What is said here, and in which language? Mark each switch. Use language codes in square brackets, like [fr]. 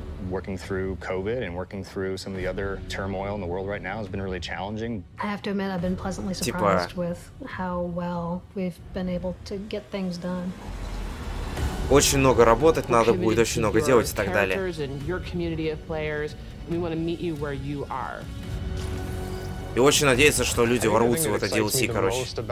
[en] Working through COVID and working through some of the other turmoil in the world right now has been really challenging. I have to admit, I've been pleasantly surprised with how well we've been able to get things done. [ru] Очень много работать надо будет, очень много делать и так далее. [en] And your community of players, we want to meet you where you are. [ru] И очень надеяться, что люди ворвутся в это DLC, короче.